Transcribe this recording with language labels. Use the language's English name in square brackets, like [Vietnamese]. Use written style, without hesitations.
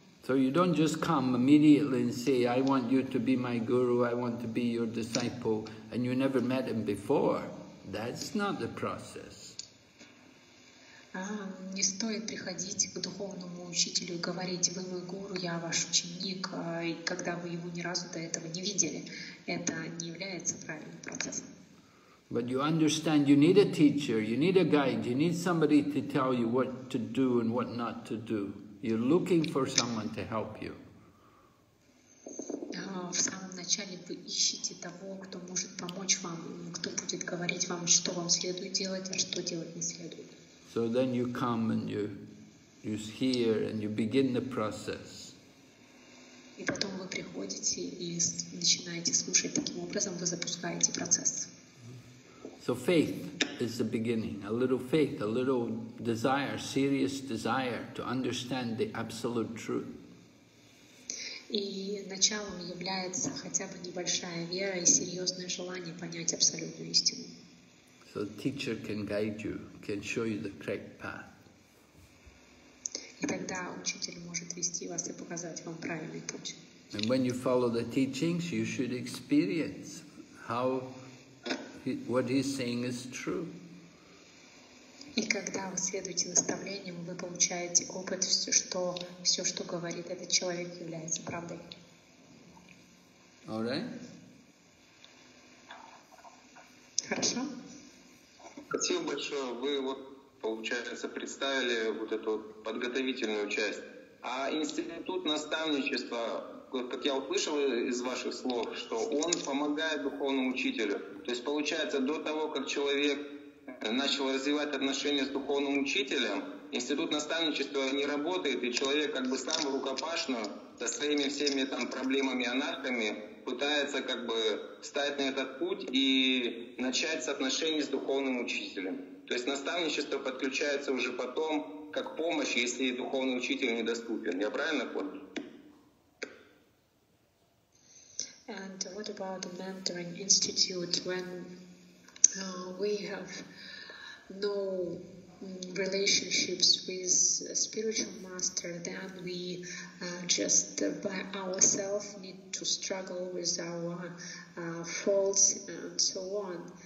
[English] So you don't just come immediately and say, I want you to be my guru, I want to be your disciple, and you never met him before. That's not the process. [Russian] Не стоит приходить к духовному учителю и говорить, вы мой гуру, я ваш ученик, когда вы его ни разу до этого не видели. Это не является правильным процессом. [English] But you understand you need a teacher, you need a guide, you need somebody to tell you what to do and what not to do. You're looking for someone to help you. [Russian] В самом начале вы ищете того, кто может помочь вам, кто будет говорить вам, что вам следует делать, а что делать не следует. [English] So then you come and you hear and you begin the process. [Russian] И потом вы приходите и начинаете слушать. Таким образом вы запускаете процесс. [English] So faith is the beginning, a little faith, a little desire, serious desire to understand the absolute truth. [Russian] И началом является хотя бы небольшая вера и серьезное желание понять абсолютную истину. [English] So the teacher can guide you, can show you the correct path. [Russian] И тогда учитель может вести вас и показать вам правильный путь. [English] And when you follow the teachings, you should experience how what he's saying is true. [Russian] И когда вы следуете наставлениям, вы получаете опыт, все, что говорит этот человек, является правдой. [English] All right. [Russian] Хорошо. Спасибо большое. Вы вот, получается, представили вот эту вот подготовительную часть. А институт наставничества, как я услышал из ваших слов, что он помогает духовному учителю. То есть, получается, до того, как человек начал развивать отношения с духовным учителем, институт наставничества не работает, и человек как бы сам рукопашно со своими всеми там проблемами, анархами пытается как бы встать на этот путь и начать с отношений с духовным учителем. То есть наставничество подключается уже потом, как помощь, если духовный учитель недоступен. Я правильно понял? [English] And what about the mentoring institute when we have no relationships with a spiritual master, then we just by ourselves need to struggle with our faults and so on.